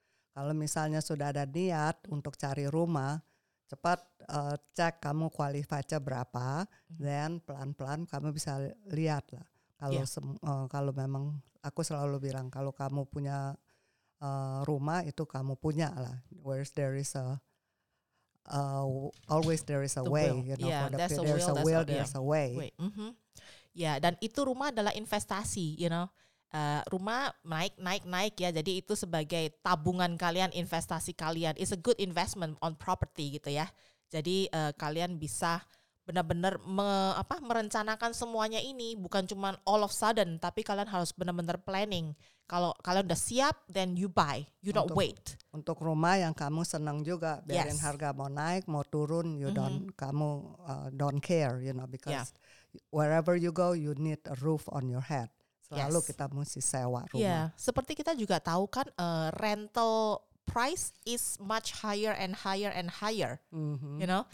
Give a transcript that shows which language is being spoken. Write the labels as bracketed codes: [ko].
[id] Kalau misalnya sudah ada niat untuk cari rumah, cepat cek kamu kualifikasi berapa, [en] then [id] pelan-pelan kamu bisa lihat lah. Kalau memang aku selalu bilang kalau kamu punya rumah itu kamu punya lah. [en] Whereas there is a always there is a way, you know, yeah, for the there's a will, there's a way. [id] Yeah, dan itu rumah adalah investasi, [en] you know. [id] Rumah naik ya. Jadi itu sebagai tabungan kalian, investasi kalian. [en] It's a good investment on property [id] gitu ya. Jadi kalian bisa benar-benar merencanakan semuanya ini, bukan cuma [en] all of sudden, [id] tapi kalian harus benar-benar planning. Kalau kalian udah siap, [en] then you buy, you don't wait. [id] Untuk rumah yang kamu senang juga, biarin [en] yes. [id] harga mau naik, mau turun, [en] you don't, [id] kamu [en] don't care, you know, because wherever you go, you need a roof on your head. [id] Selalu kita mesti sewa rumah. Seperti kita juga tahu kan, [en] rental price is much higher and higher and higher, you know.